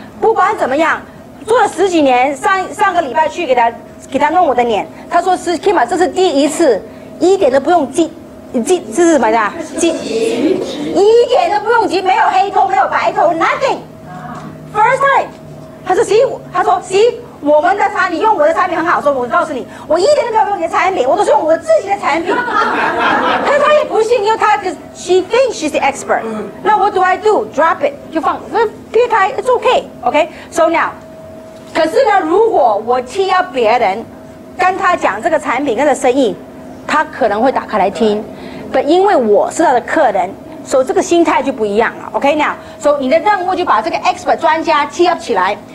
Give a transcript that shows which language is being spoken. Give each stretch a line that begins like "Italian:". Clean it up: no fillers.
Chinese: 不管怎么样，做了十几年，上个礼拜去给他弄我的脸，他说是 Kima， 这是第一次，一点都不用记。急是什么的？急，一点都不用急，没有黑头，没有白头 ，
English: nothing。 First time，
Chinese: 他说，我们的产品，你用我的产品很好，说，我告诉你，我一点都没有用你的产品，我都是用我自己的产品。可是他也不信，因为他
English: she thinks she's the expert。
Chinese: 那
English: what do I do？ Drop it，
Chinese: 就放，撇开 ，
English: it's okay，
Chinese: OK。 So now， 可是呢，如果我踢到别人，跟他讲这个产品跟的生意，他可能会打开来听，但因为我是他的客人，所以这个心态就不一样了。 OK， now， 所以你的任务就把这个 expert 专家 tee up 起来。